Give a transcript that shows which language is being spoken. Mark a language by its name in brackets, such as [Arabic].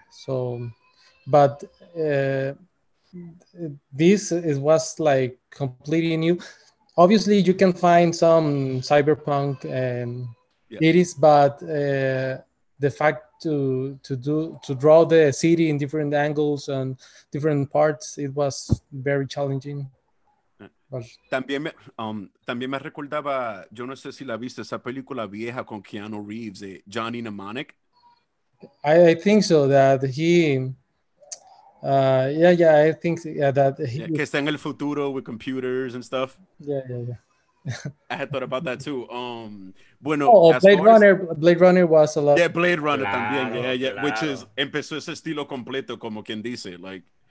[English] So, but this was like completely new. Obviously, you can find some cyberpunk cities, but the fact to draw the city in different angles and different parts, it was very challenging. [Spanish] También me recordaba, yo no sé si la viste, esa película vieja con Keanu Reeves, Johnny Mnemonic. [English] I think so, that he, I think so, yeah, that he. Yeah, [Spanish] que está en el futuro [English] with computers and stuff. Yeah. I had thought about that too. Bueno, Blade Runner was a lot. [Spanish] Yeah, Blade Runner claro, también, yeah, yeah, claro. [English] Which is, [Spanish] empezó ese estilo completo, como quien dice, like.